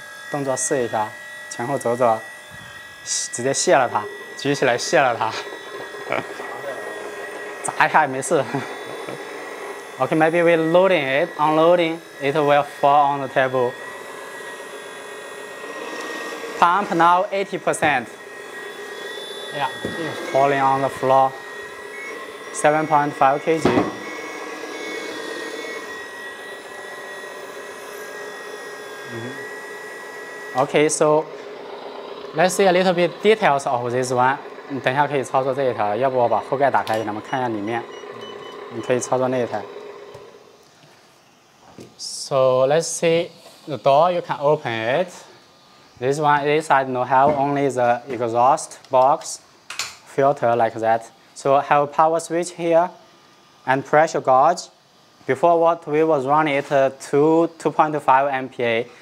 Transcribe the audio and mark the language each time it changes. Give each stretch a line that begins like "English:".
Chinese: 动作试一下, 前后走走, 直接卸了它, 举起来卸了它, 砸一下也没事。
English: Okay, maybe we're loading it, unloading, it will fall on the table. Pump now 80%. Yeah, it's falling on the floor. 7.5 kg. Mm-hmm. Okay, so let's see a little bit details of this one.
Chinese: 你等一下可以操作这一台，要不我把后盖打开给他们看一下里面。你可以操作那一台。
English: So let's see the door, you can open it. This one, this side no help, only the exhaust box filter like that. So have a power switch here and pressure gauge. Before what we was running it 2.5 MPa.